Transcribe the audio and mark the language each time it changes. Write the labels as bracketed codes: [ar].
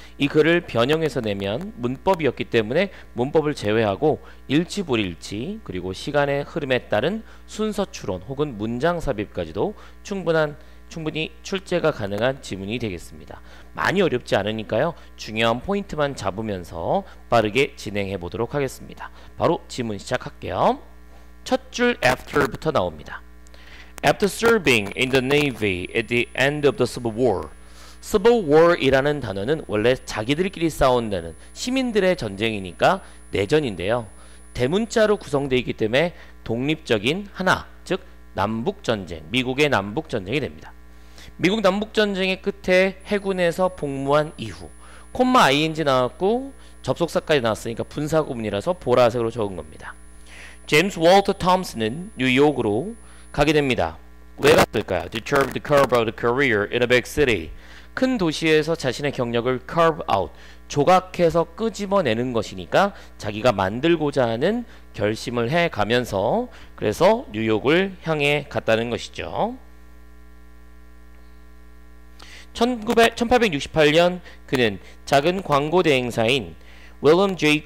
[ko] 이 글을 변형해서 내면 문법이었기 때문에 문법을 제외하고 일치불일치 그리고 시간의 흐름에 따른 순서 추론 혹은 문장 삽입까지도 충분히 출제가 가능한 지문이 되겠습니다. 많이 어렵지 않으니까요. 중요한 포인트만 잡으면서 빠르게 진행해 보도록 하겠습니다. 바로 지문 시작할게요. 첫 줄 after부터 나옵니다. [en] After serving in the Navy at the end of the Civil War. [ko] Civil War이라는 단어는 원래 자기들끼리 싸운다는 시민들의 전쟁이니까 내전인데요. 대문자로 구성되어 있기 때문에 독립적인 하나, 즉 남북전쟁, 미국의 남북전쟁이 됩니다. 미국 남북전쟁의 끝에 해군에서 복무한 이후 콤마 ing 나왔고 접속사까지 나왔으니까 분사구문이라서 보라색으로 적은 겁니다. 제임스 월터 톰슨은 뉴욕으로 가게 됩니다. 왜 갔을까요? [en] To carve the curve of the career in a big city. [ko] 큰 도시에서 자신의 경력을 carve out, 조각해서 끄집어내는 것이니까 자기가 만들고자 하는 결심을 해가면서 그래서 뉴욕을 향해 갔다는 것이죠. 1868년 그는 작은 광고 대행사인 William J.